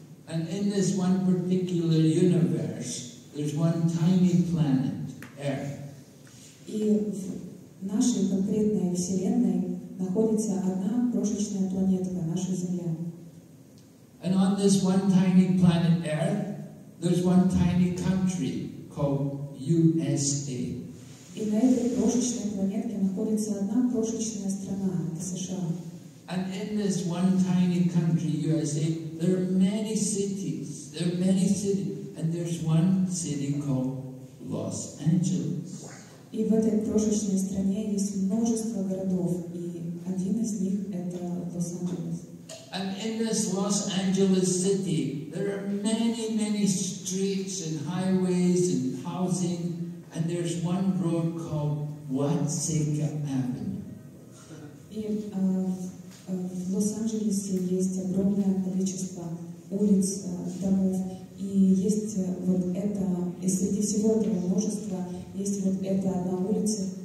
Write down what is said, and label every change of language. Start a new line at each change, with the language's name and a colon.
English: And in this one particular universe, there's one tiny planet, Earth.
Russian: И в нашей конкретной Вселенной находится одна крошечная планетка, наша Земля.
English: And on this one tiny planet Earth, there's one tiny country called USA.
Russian: И на этой крошечной планетке находится одна крошечная страна, это США.
English: And in this one tiny country, USA, there are many cities. There are many cities, and there's one city called Los Angeles.
Russian: И в этой крошечной стране есть множество городов, и один из них это Лос-Анджелес.
English: And in this Los Angeles city, there are many, many streets and highways and housing, and there's one road called Watsika Avenue.
Russian: В Лос-Анджелесе есть огромное количество улиц, домов, и есть вот это, и среди всего этого множества есть вот эта одна улица.